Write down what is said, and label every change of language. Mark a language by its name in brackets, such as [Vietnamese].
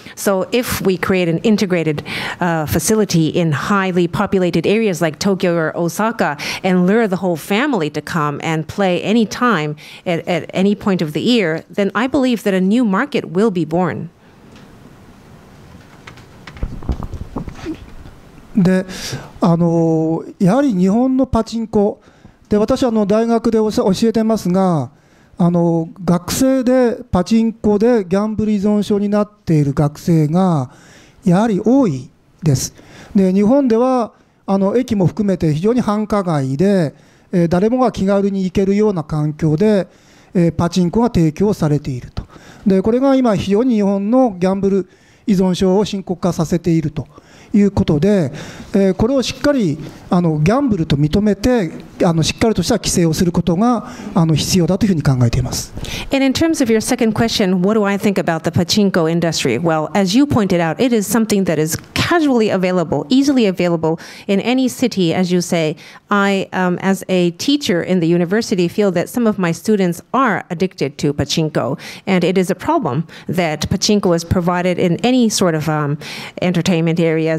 [English] So if we create an integrated facility in highly populated areas like Tokyo or Osaka and lure the whole family to come and play any time at any point of the year, then I believe that a new market will be born. [Japanese] で、あの、やはり日本のパチンコで、私はあの大学で教えてますが、あの、学生でパチンコでギャンブル依存症になっている学生がやはり多いです。で、日本ではあの駅も含めて非常に繁華街で、誰もが気軽に行けるような環境で、パチンコが提供されていると。で、これが今非常に日本のギャンブル依存症を深刻化させていると。いうことで、これをしっかりあのギャンブルと認めて、あのしっかりとした規制をすることがあの必要だというふうに考えています。 [English] And in terms of your second question, what do I think about the pachinko industry? Well, as you pointed out, it is something that is casually available, easily available in any city, as you say. I, as a teacher in the university, feel that some of my students are addicted to pachinko, and it is a problem that pachinko is provided in any sort of entertainment area.